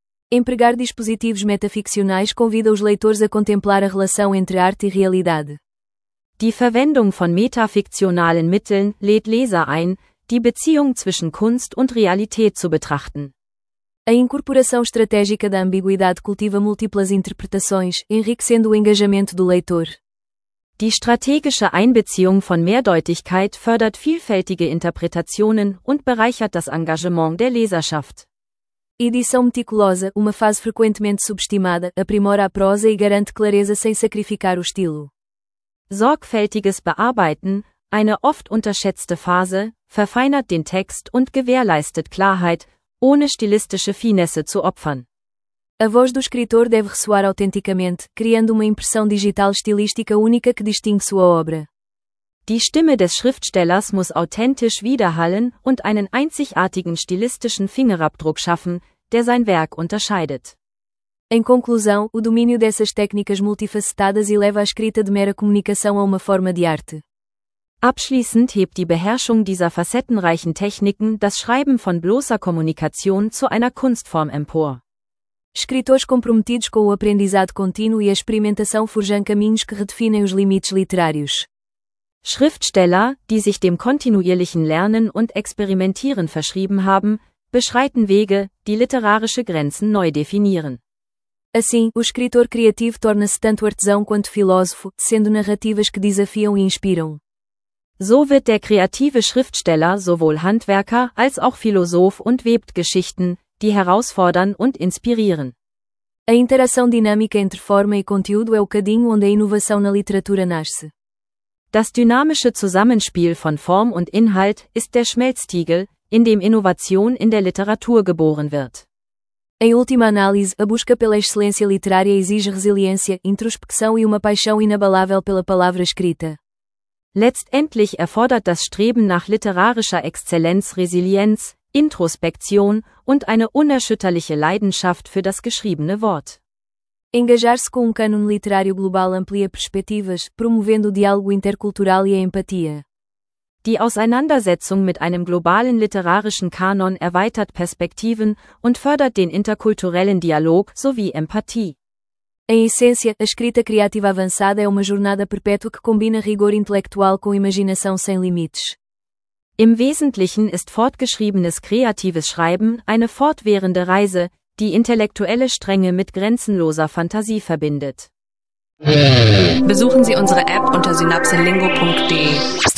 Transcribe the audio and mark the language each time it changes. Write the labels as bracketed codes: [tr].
[pt] Empregar dispositivos metaficcionais convida os leitores a contemplar a relação entre arte e realidade. [de] Die Verwendung von metafiktionalen Mitteln lädt Leser ein, die Beziehung zwischen Kunst und Realität zu betrachten. [pt] A incorporação estratégica da ambiguidade cultiva múltiplas interpretações, enriquecendo o engajamento do leitor. [de] Die strategische Einbeziehung von Mehrdeutigkeit fördert vielfältige Interpretationen und bereichert das Engagement der Leserschaft. [pt] Edição meticulosa, uma fase frequentemente subestimada, aprimora a prosa e garante clareza sem sacrificar o estilo. [de] Sorgfältiges Bearbeiten, eine oft unterschätzte Phase, verfeinert den Text und gewährleistet Klarheit, ohne stilistische Finesse zu opfern. [pt] A voz do escritor deve ressoar autenticamente, criando uma impressão digital estilística única que distingue sua obra. [de] Die Stimme des Schriftstellers muss authentisch widerhallen und einen einzigartigen stilistischen Fingerabdruck schaffen, der sein Werk unterscheidet. [pt] Em conclusão, o domínio dessas técnicas multifacetadas eleva a escrita de mera comunicação a uma forma de arte. [de] Abschließend hebt die Beherrschung dieser facettenreichen Techniken das Schreiben von bloßer Kommunikation zu einer Kunstform empor. [pt] Escritores comprometidos com o aprendizado contínuo e a experimentação forjam caminhos que redefinem os limites literários. [de] Schriftsteller, die sich dem kontinuierlichen Lernen und Experimentieren verschrieben haben, beschreiten Wege, die literarische Grenzen neu definieren. [pt] Assim, o escritor criativo torna-se tanto artesão quanto filósofo, sendo narrativas que desafiam e inspiram. [de] So wird der kreative Schriftsteller sowohl Handwerker als auch Philosoph und webt Geschichten, die herausfordern und inspirieren. [pt] A interação dinâmica entre forma e conteúdo é o caminho onde a inovação na literatura nasce. [de] Das dynamische Zusammenspiel von Form und Inhalt ist der Schmelztiegel, in dem Innovation in der Literatur geboren wird. [pt] Em última análise, a busca pela excelência literária exige resiliência, introspecção e uma paixão inabalável pela palavra escrita. [de] Letztendlich erfordert das Streben nach literarischer Exzellenz Resilienz, Introspektion und eine unerschütterliche Leidenschaft für das geschriebene Wort. [pt] Engajar-se com cânon literário global amplia perspectivas, promovendo o diálogo intercultural e a empatia. [de] Die Auseinandersetzung mit einem globalen literarischen Kanon erweitert Perspektiven und fördert den interkulturellen Dialog sowie Empathie. [pt] Em essência, a escrita criativa avançada é uma jornada perpétua que combina rigor intelectual com imaginação sem limites. [de] Im Wesentlichen ist fortgeschriebenes kreatives Schreiben eine fortwährende Reise, die intellektuelle Strenge mit grenzenloser Fantasie verbindet. Besuchen Sie unsere App unter synapsenlingo.de.